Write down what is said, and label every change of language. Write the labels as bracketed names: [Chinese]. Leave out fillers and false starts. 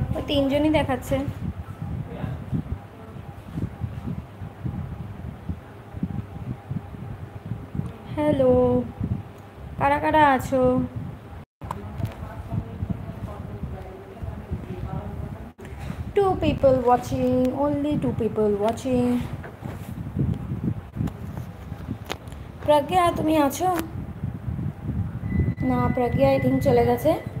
[Bangla] তিনজনই দেখাচ্ছে, হ্যালো কারা কারা আছো, two [English] people watching, only two people watching. [Bangla] Pragya, তুমি আছো? না, Pragya [English] I think [Bangla] চলে গেছে.